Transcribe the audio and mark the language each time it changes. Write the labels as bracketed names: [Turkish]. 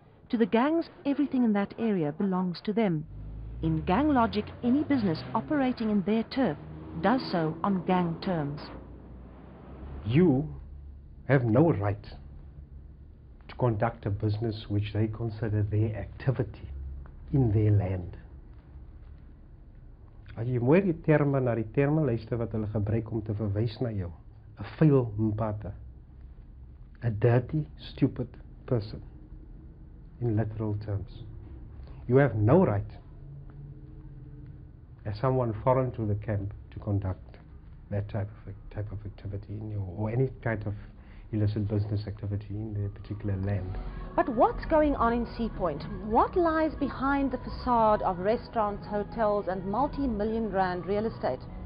[English] To the gangs, everything in that area belongs to them. In gang logic, any business operating in their turf does so on gang terms. You have no right to conduct a business which they consider their activity in their land. [Afrikaans] As jy mooi die terme na die terme luister wat hulle gebruik om te verwys na jou, 'n vuil mpata, 'n [English] dirty, stupid person, in literal terms. You have no right, as someone foreign to the camp, to conduct that type of activity in your, or any kind of illicit business activity in their particular land. But what's going on in Sea Point? What lies behind the facade of restaurants, hotels and multi-million rand real estate?